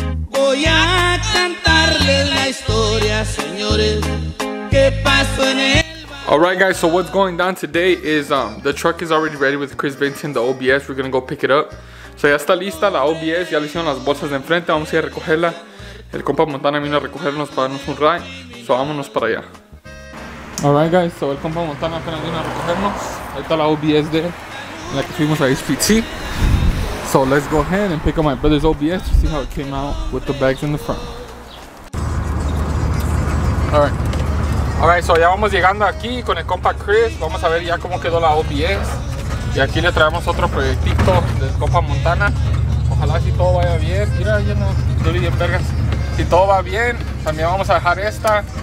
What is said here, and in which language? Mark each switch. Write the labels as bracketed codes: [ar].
[es] Voy a cantarles la historia, señores, que pasó en el. [en] Alright, guys, so what's going down today is the truck is already ready with Chris Vincent, the OBS. We're gonna go pick it up. [es] So ya está lista la OBS, ya le hicieron las bolsas de enfrente, vamos a ir a recogerla. El compa Montana vino a recogernos para darnos un ride, [en] so [es] vámonos para allá. [en] Alright, guys, so [es] el compa Montana apenas vino a recogernos. Ahí está la OBS de él, la que fuimos a HPT. [en] So let's go ahead and pick up my brother's OBS to see how it came out with the bags in the front. Alright. Alright, so [es] ya vamos llegando aquí con el compa Chris. Vamos a ver ya cómo quedó la OBS. Y aquí le traemos otro proyectito del compa Montana. Ojalá si todo vaya bien. Mira, ya no estoy bien vergas. Si todo va bien, también vamos a dejar esta.